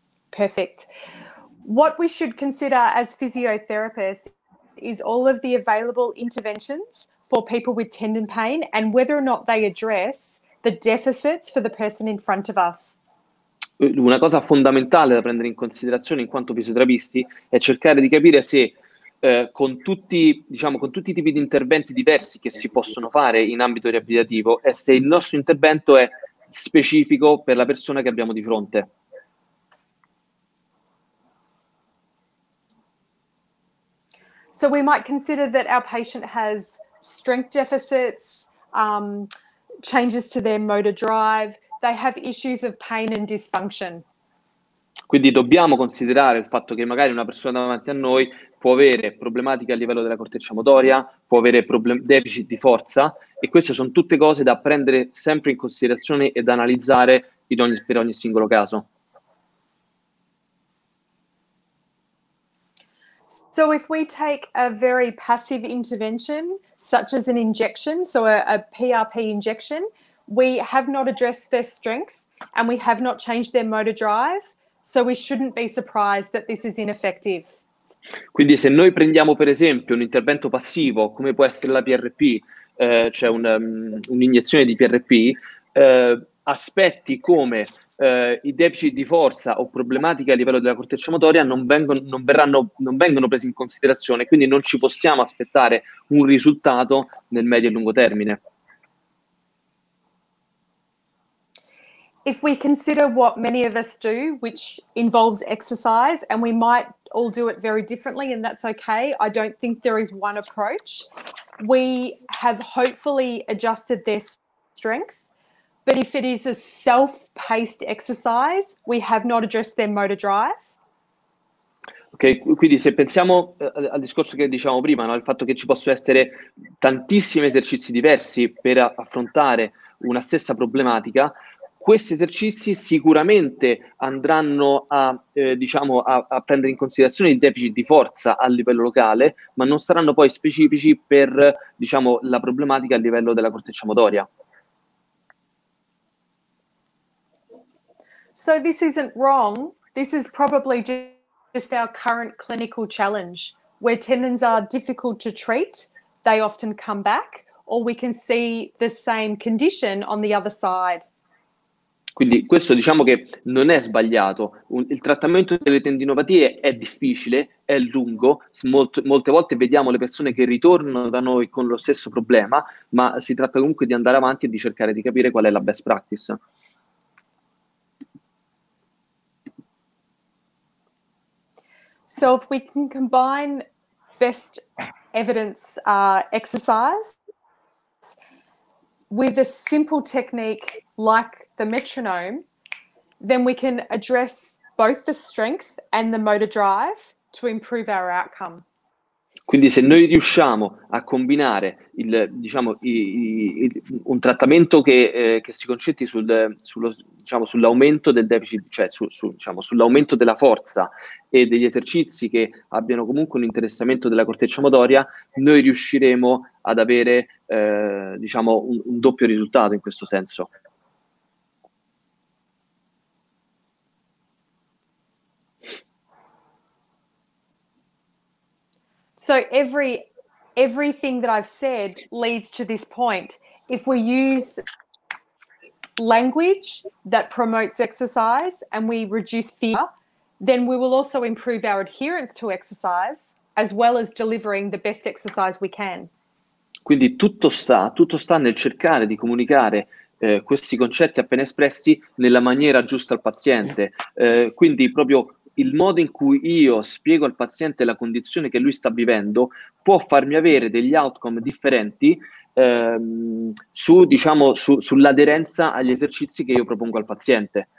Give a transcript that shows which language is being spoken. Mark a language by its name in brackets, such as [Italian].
[English] Perfect. What we should consider as physiotherapists is all of the available interventions for people with tendon pain and whether or not they address the deficits for the person in front of us. [Italian] Una cosa fondamentale da prendere in considerazione in quanto fisioterapisti è cercare di capire se con tutti i tipi di interventi diversi che si possono fare in ambito riabilitativo, è se il nostro intervento è specifico per la persona che abbiamo di fronte. [English] So we might consider that our patient has strength deficits, changes to their motor drive, they have issues of pain and dysfunction. [Italian] Quindi dobbiamo considerare il fatto che magari una persona davanti a noi può avere problematiche a livello della corteccia motoria, può avere deficit di forza, e queste sono tutte cose da prendere sempre in considerazione ed analizzare per ogni singolo caso. [English] So if we take a very passive intervention, such as an injection, so a PRP injection, we have not addressed their strength and we have not changed their motor drive, so we shouldn't be surprised that this is ineffective. [Italian] Quindi se noi prendiamo per esempio un intervento passivo, come può essere la PRP, cioè un'iniezione di PRP, aspetti come i deficit di forza o problematiche a livello della corteccia motoria non vengono presi in considerazione, quindi non ci possiamo aspettare un risultato nel medio e lungo termine. [English] If we consider what many of us do, which involves exercise, and we might all do it very differently, and that's okay, I don't think there is one approach. We have hopefully adjusted their strength. But if it is a self-paced exercise, we have not addressed their motor drive. [Italian] Ok, quindi se pensiamo al discorso che dicevamo prima, no? Il fatto che ci possono essere tantissimi esercizi diversi per affrontare una stessa problematica, questi esercizi sicuramente andranno a prendere in considerazione il deficit di forza a livello locale, ma non saranno poi specifici per, diciamo, la problematica a livello della corteccia motoria. [English] So this isn't wrong, this is probably just our current clinical challenge. Where tendons are difficult to treat, they often come back, or we can see the same condition on the other side. [Italian] Quindi questo, diciamo che non è sbagliato. Il trattamento delle tendinopatie è difficile, è lungo, molte volte vediamo le persone che ritornano da noi con lo stesso problema, ma si tratta comunque di andare avanti e di cercare di capire qual è la best practice. [English] So So if we can combine best evidence exercise with a simple technique like the metronome, then we can address both the strength and the motor drive to improve our outcome. [Italian] Quindi se noi riusciamo a combinare il, diciamo, un trattamento che si concentri sull'aumento del deficit, cioè sull'aumento della forza e degli esercizi che abbiano comunque un interessamento della corteccia motoria, noi riusciremo ad avere un doppio risultato in questo senso. [English] So everything that I've said leads to this point. If we use language that promotes exercise and we reduce fear, then we will also improve our adherence to exercise as well as delivering the best exercise we can. [Italian] Quindi tutto sta nel cercare di comunicare questi concetti appena espressi nella maniera giusta al paziente. Quindi proprio il modo in cui io spiego al paziente la condizione che lui sta vivendo può farmi avere degli outcome differenti sull'aderenza agli esercizi che io propongo al paziente.